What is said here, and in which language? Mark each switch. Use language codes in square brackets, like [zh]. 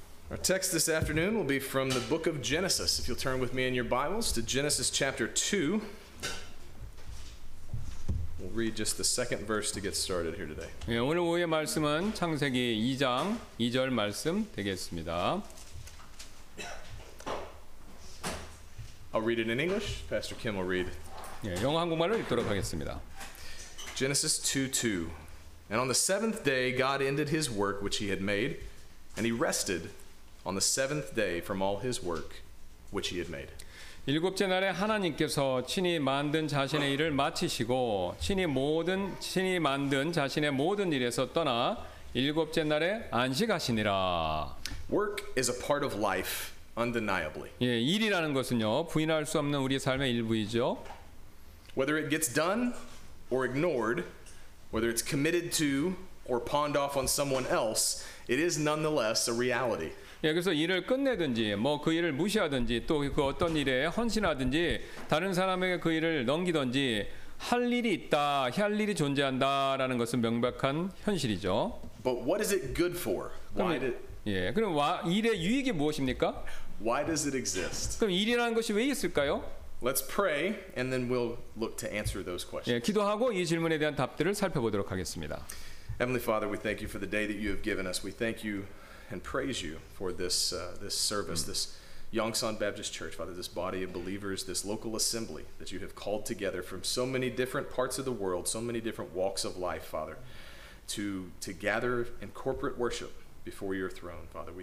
[en] Our text this afternoon will be from the book of Genesis. If you'll turn with me in your Bibles to Genesis chapter 2. We'll read just the second verse to get started here today. [ko] 예, 오늘 오후의 말씀은 창세기 2장 2절 말씀 되겠습니다. [en] I'll read it in English. Pastor Kim will read. [ko] 예, 영어 한국말로 읽도록 하겠습니다. [en] Genesis 2:2. And on the seventh day, God ended his work which he had made, and he rested on the seventh day from all his work which he had made. [ko] 일곱째 날에 하나님께서 친히 만든 자신의 일을 마치시고 친히 만든 자신의 모든 일에서 떠나 일곱째 날에 안식하시니라. [en] Work is a part of life, undeniably. [ko] 예, 일이라는 것은요, 부인할 수 없는 우리 삶의 일부이죠. [en] Whether it gets done or ignored, whether it's committed to or pawned off on someone else, it is nonetheless a reality. [ko] 예, 그래서 일을 끝내든지 뭐 그 일을 무시하든지 또 그 어떤 일에 헌신하든지 다른 사람에게 그 일을 넘기든지 할 일이 있다, 할 일이 존재한다라는 것은 명백한 현실이죠. [en] But what is it good for? Why did... [ko] 예, 그럼 일의 유익이 무엇입니까? [en] Why does it exist? [ko] 그럼 일이라는 것이 왜 있을까요? [en] Let's pray and then we'll look to answer those questions. [ko] 예, 기도하고 이 질문에 대한 답들을 살펴보도록 하겠습니다. [en] Heavenly Father, we thank you for the day that you have given us. We thank you and praise you for this service, this Yongsan Baptist Church, Father, this body of believers, this local assembly that you have called together from so many different parts of the world, so many different walks of life, Father, to gather in corporate worship before your throne, Father.